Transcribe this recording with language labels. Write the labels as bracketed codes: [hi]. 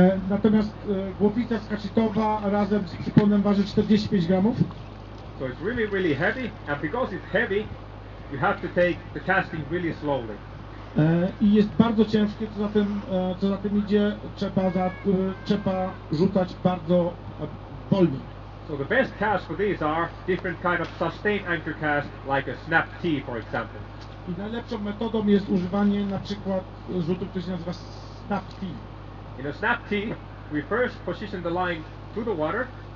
[pl] Natomiast głowica skacitowa razem z przyponem waży 45 gramów. [en] So it's really, really heavy, and because it's heavy, you have to take the casting really slowly. [pl] I jest bardzo ciężkie, co za tym idzie, trzeba rzucać bardzo wolno. [en] So the best cast for these are different kind of sustained anchor cast, like a snap T, for example. [pl] I najlepszą metodą jest używanie na przykład rzutu, który się nazywa snap T. [en] In a snap T, we first position the line to the water.